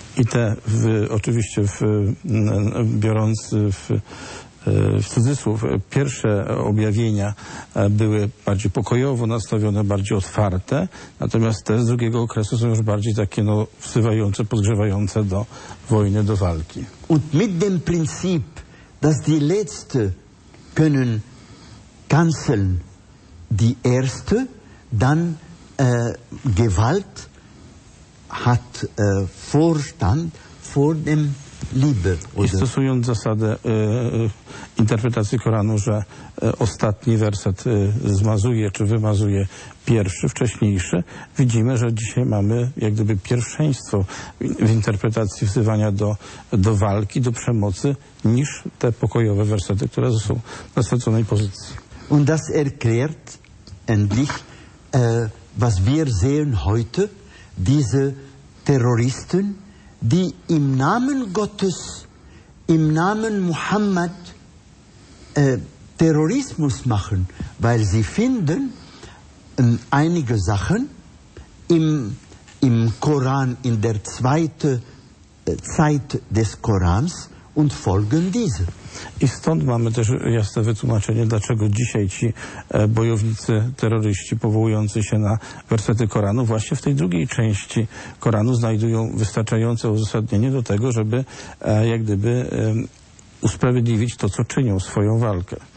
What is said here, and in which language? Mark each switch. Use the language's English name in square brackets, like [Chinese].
[Polish] I te oczywiście biorąc w cudzysłów pierwsze objawienia były bardziej pokojowo nastawione, bardziej otwarte, natomiast te z drugiego okresu są już bardziej takie no, wzywające, podgrzewające do wojny, do walki. [German] Und mit dem Prinzip, dass die letzte können canceln die erste, dann Gewalt hat Vorstand vor dem Liebe. [Polish] I stosując zasadę interpretacji Koranu, że ostatni werset zmazuje czy wymazuje pierwszy, wcześniejszy, widzimy, że dzisiaj mamy jak gdyby pierwszeństwo w interpretacji wzywania do walki, do przemocy, niż te pokojowe wersety, które są na straconej pozycji. [German] Und das erklärt endlich, was wir sehen heute, diese Terroristen, die im Namen Gottes, im Namen Muhammad Terrorismus machen, weil sie finden einige Sachen im Koran, in der zweiten Zeit des Korans und folgen diese. [Polish] I stąd mamy też jasne wytłumaczenie, dlaczego dzisiaj ci bojownicy terroryści powołujący się na wersety Koranu właśnie w tej drugiej części Koranu znajdują wystarczające uzasadnienie do tego, żeby jak gdyby usprawiedliwić to, co czynią, swoją walkę.